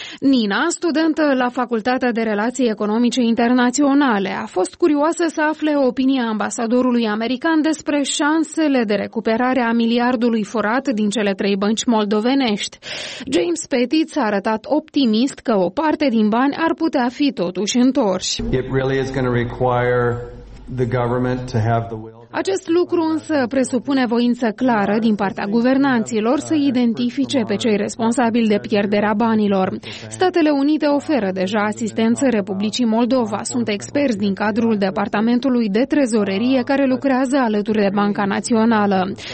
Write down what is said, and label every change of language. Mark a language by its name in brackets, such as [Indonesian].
[Romanian] Nina, studentă la Facultatea de Relații Economice Internaționale, a fost curioasă să afle opinia ambasadorului american despre șansele de recuperarea miliardului furat din cele 3 bănci moldovenești. James Pettit s-a arătat optimist că o parte din bani ar putea fi totuși întorși. [English] It really is going to require the government to have the will. [Romanian] Acest lucru însă presupune voință clară din partea guvernanților să identifice pe cei responsabili de pierderea banilor. Statele Unite oferă deja asistență Republicii Moldova. Sunt experți din cadrul Departamentului de Trezorerie care lucrează alături de Banca Națională.